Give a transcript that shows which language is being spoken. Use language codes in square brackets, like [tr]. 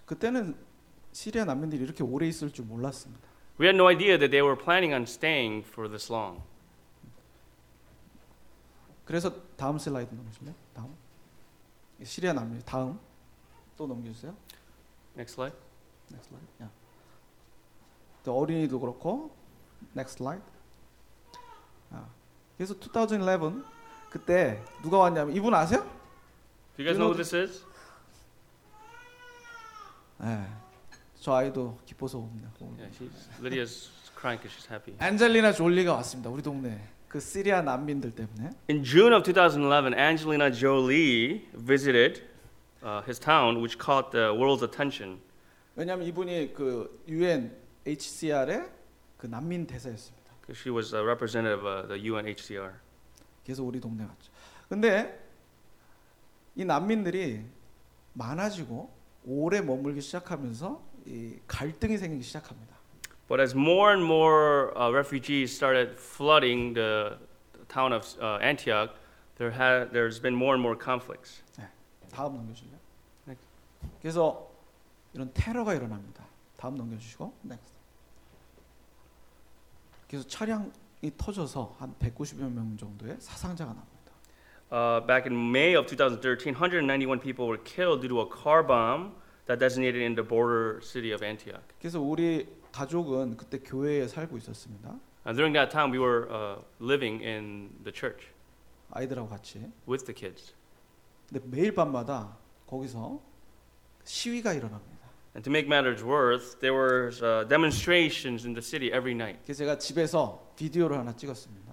[ko] 그때는 시리아 난민들이 이렇게 오래 있을 줄 몰랐습니다. [en] We had no idea that they were planning on staying for this long. [ko] 그래서 다음 슬라이드 넘으실래? 다음. 시리아 난민 다음. 또 넘겨주세요. [en] Next slide. Next slide. Yeah. [ko] 또 어린이도 그렇고. [en] Next slide. [ko] 아, 그래서 2011 그때 누가 왔냐면 이분 아세요? [en] Do you guys know who this is? [ko] 네. 저 아이도 기뻐서 옵니다. [en] Yeah, she's Lydia's crying because she's happy. [ko] 안젤리나 졸리가 왔습니다. 우리 동네. 그 시리아 난민들 때문에. [en] In June of 2011, Angelina Jolie visited. His town, which caught the world's attention. [ko] 왜냐하면 이분이 그 UN HCR의 그 난민 대사였습니다. [en] She was a representative of the UN HCR. [ko] 그래서 우리 동네 왔죠. 근데 이 난민들이 많아지고 오래 머물기 시작하면서 이 갈등이 생기기 시작합니다. [en] But as more and more refugees started flooding the town of Antioch, there's been more and more conflicts. [ko] 다음 넘겨주세요. 그래서 이런 테러가 일어납니다. 다음 넘겨주시고. 네. 그래서 차량이 터져서 한 190여 명 정도의 사상자가 납니다. [en] Back in May of 2013, 191 people were killed due to a car bomb that detonated in the border city of Antioch. [ko] 그래서 우리 가족은 그때 교회에 살고 있었습니다. [en] During that time, we were living in the church. [ko] 아이들하고 같이. [en] With the kids. [ko] 근데 매일 밤마다 거기서 시위가 일어납니다. [en] And to make matters worse, there were demonstrations in the city every night. [ko] 그래서 제가 집에서 비디오를 하나 찍었습니다.